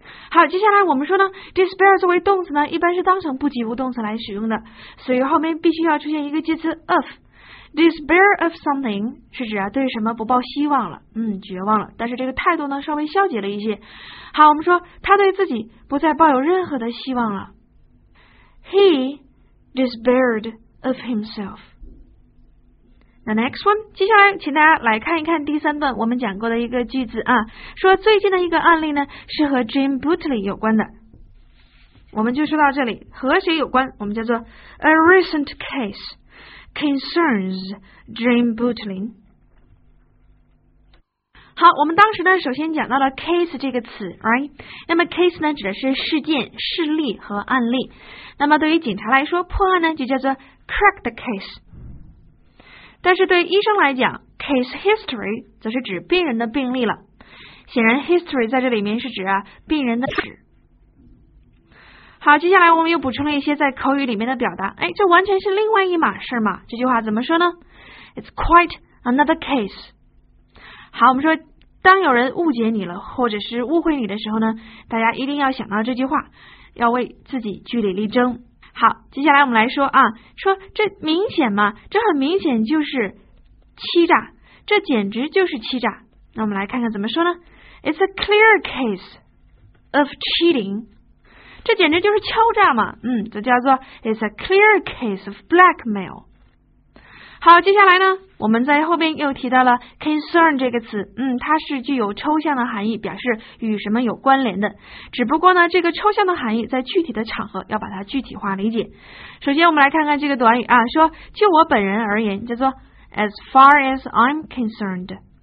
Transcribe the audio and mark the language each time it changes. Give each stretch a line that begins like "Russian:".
Chinese: 好，接下来我们说呢 ，despair 作为动词呢，一般是当成不及物动词来使用的，所以后面必须要出现一个介词 of。 Despair of something 是指啊对什么不抱希望了，绝望了，但是这个态度呢稍微消极了一些。好，我们说他对自己不再抱有任何的希望了。
English: He despaired. Of himself. The next one,
Chinese: 接下来请大家来看一看第三段我们讲过的一个句子啊，说最近的一个案例呢是和 Jim Butley 有关的。我们就说到这里，和谁有关？我们叫做
English: A recent case concerns Jim Butley。
Chinese: 好，我们当时呢首先讲到了 case 这个词 ，
English: right？
Chinese: 那么 case 呢指的是事件、事例和案例。那么对于警察来说，破案呢就叫做
English: Crack the case，
Chinese: 但是对医生来讲 ，case history 则是指病人的病历了。显然 ，history 在这里面是指啊病人的史。好，接下来我们又补充了一些在口语里面的表达，哎，这完全是另外一码事嘛。这句话怎么说呢 ？
English: It's quite another case。
Chinese: 好，我们说当有人误解你了，或者是误会你的时候呢，大家一定要想到这句话，要为自己据理力争。好，接下来我们来说啊，说这明显嘛，这很明显就是欺诈，这简直就是欺诈。那我们来看看怎么说呢 ？
English: It's a clear case of cheating，
Chinese: 这简直就是敲诈嘛，这叫做
English: It's a clear case of blackmail。
Chinese: 好，接下来呢，我们在后边又提到了 concern 这个词，它是具有抽象的含义，表示与什么有关联的。只不过呢，这个抽象的含义在具体的场合要把它具体化理解。首先，我们来看看这个短语啊，说就我本人而言，叫做
English: as far as I'm concerned。